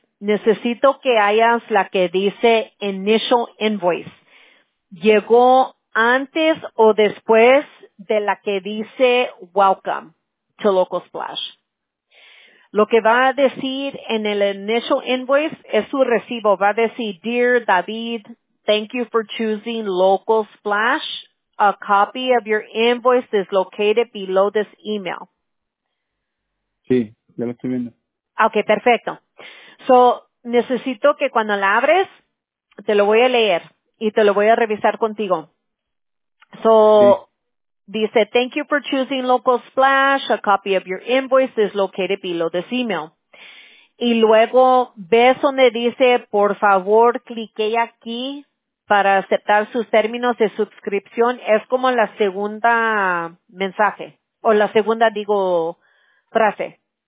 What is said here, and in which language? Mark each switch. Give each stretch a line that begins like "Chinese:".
Spanish: Necesito que hayas la que dice initial invoice. ¿Llegó antes o después de la que dice
English: welcome to Local Splash?
Spanish: Lo que va a decir en el initial invoice es su recibo. Va a decir,
English: dear David, thank you for choosing Local Splash. A copy of your invoice is located below this email.
Spanish: Sí, ya lo estoy viendo. Okay, perfecto. So, necesito que cuando la abres, te lo voy a leer y te lo voy a revisar contigo. So, sí. Dice,
English: thank you for choosing Local Splash. A copy of your invoice is located below this email.
Spanish: Y luego, ves donde dice, por favor, clique aquí para aceptar sus términos de suscripción. Es como la segunda mensaje, o la segunda, digo, frase.